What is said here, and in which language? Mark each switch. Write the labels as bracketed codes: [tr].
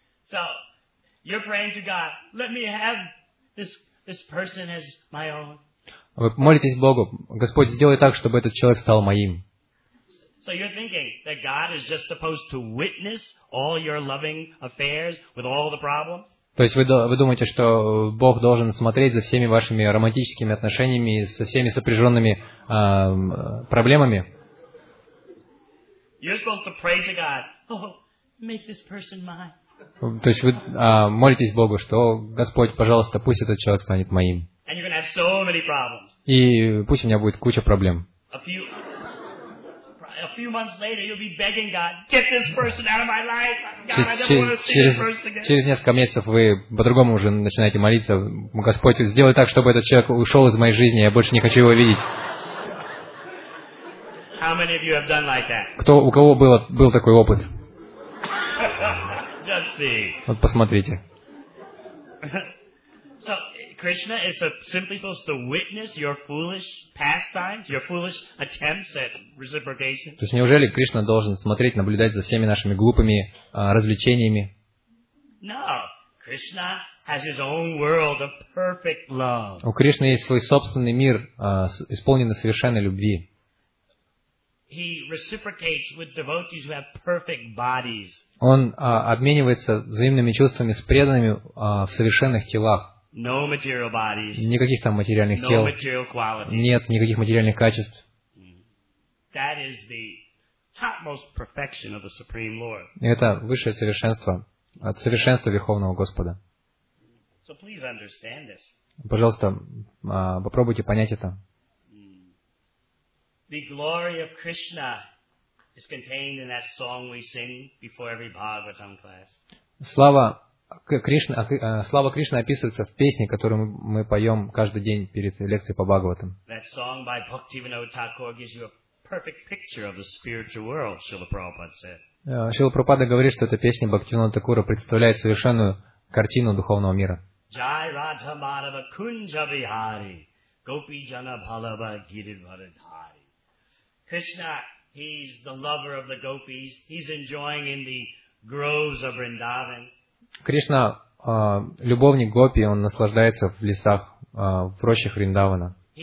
[en] So, you're praying to God, "Let me have this person as my own." [ru] Вы молитесь Богу: "Господь, сделай так, чтобы этот человек стал моим"? [en] So you're thinking that God is just supposed to witness all your loving affairs with all the problems? [ru] То есть вы думаете, что Бог должен смотреть за всеми вашими романтическими отношениями и со всеми сопряженными проблемами? [en] You're supposed to pray to God, "Oh, make this person mine." [ru] То есть вы молитесь Богу, что: "О, Господь, пожалуйста, пусть этот человек станет моим." [en] And you're gonna have so many problems. [ru] И пусть у меня будет куча проблем. [en] A few months later, you'll be begging God, "Get this person out of my life. God, I never want to see this person again." [ru] Через несколько месяцев вы по-другому уже начинаете молиться: "Господь, сделай так, чтобы этот человек ушел из моей жизни. Я больше не хочу его видеть." [en] How many of you have done like that? [ru] Кто, у кого был такой опыт? [en] Just see. [ru] Вот посмотрите. [en] So Krishna is simply supposed to witness your foolish pastimes, your foolish attempts at reciprocation. [ru] То есть неужели Кришна должен смотреть, наблюдать за всеми нашими глупыми развлечениями? [en] No, Krishna has his own world of perfect love. [ru] У Кришны есть свой собственный мир, исполненный совершенной любви. [en] He reciprocates with devotees who have perfect bodies. [ru] Он обменивается взаимными чувствами с преданными в совершенных телах. [en] No material bodies. [ru] Никаких там материальных тел. [en] No material qualities. [ru] Нет никаких материальных качеств. [en] That is the topmost perfection of the Supreme Lord. [ru] Это высшее совершенство, от совершенства Верховного Господа. [en] So please understand this. [ru] Пожалуйста, попробуйте понять это. [en] The glory of Krishna is contained in that song we sing before every Bhagavatam class. [ru] Слава Кришны описывается в песне, которую мы поем каждый день перед лекцией по Бхагаватам. [en] That song by Bhaktivinoda Thakur gives you a perfect picture of the spiritual world, Srila Prabhupada said. [ru] Шрила Прабхупада говорит, что эта песня Бхактивинода Такура представляет совершенную картину духовного мира. [sa] Jai Radha Madhava Kunja Vihari Gopi Jana Bhalava Giridhara Dhari. [en] Krishna, he's the lover of the gopis. He's enjoying in the groves of Vrindavan. [ru] Кришна, любовник гопи, он наслаждается в лесах, в рощах Вриндавана.